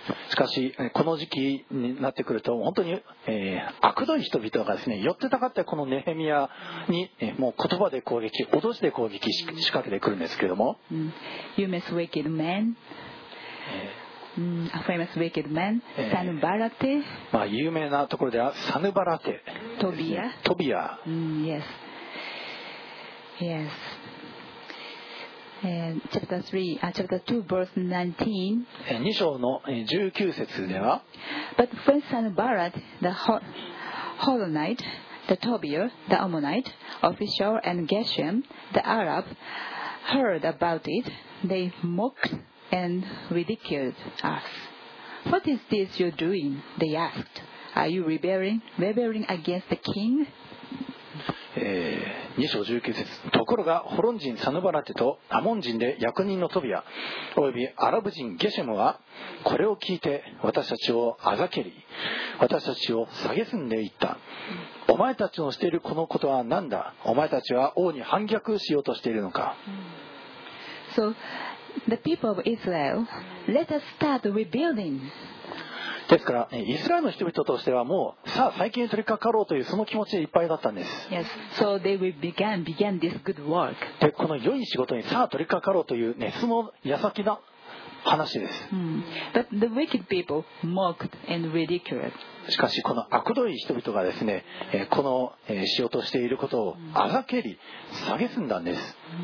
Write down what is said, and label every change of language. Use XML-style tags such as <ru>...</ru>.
<ja>しかしこの時期になってくると本当に、悪どい人々がですね寄ってたかってこのネヘミヤに、もう言葉で攻撃脅して攻撃し仕掛けてくるんですけれども、</ja> <en>You mess wicked man、a famous wicked man、サヌバラテ、</en> <ja>まあ、有名なところではサヌバラテ、トビア、トビア、</ja> <en>Yes Yes chapter 3, chapter 2, verse</en> <ja>19. 2章の19節では</ja> <en>But when Sanballat, the Hollow Knight, the Tobiah, the Ammonite, official and Geshem, the Arab, heard about it, they mocked and ridiculed us. What is this you're doing? They asked. Are you rebelling against the king?</en> <ja>2章19節ところがホロン人サヌバラテとアモン人で役人のトビアおよびアラブ人ゲシェムはこれを聞いて私たちをあざけり私たちを蔑んでいったお前たちのしているこのことは何だお前たちは王に反逆しようとしているのか</ja> <en>So the people of Israel let us start rebuilding.</en> <ja>ですからイスラエルの人々としてはもうさあ再建に取り掛かろうというその気持ちでいっぱいだったんです。</ja> <en>Yes. So they began this good work.</en> <ja>でこの良い仕事にさあ取り掛かろうという、ね、その矢先な話です。</ja> <en>But the wicked people mocked and ridiculed.</en> <ja>しかしこの悪どい人々がですねこの仕事をしていることをあざけり蔑んだんです。</ja>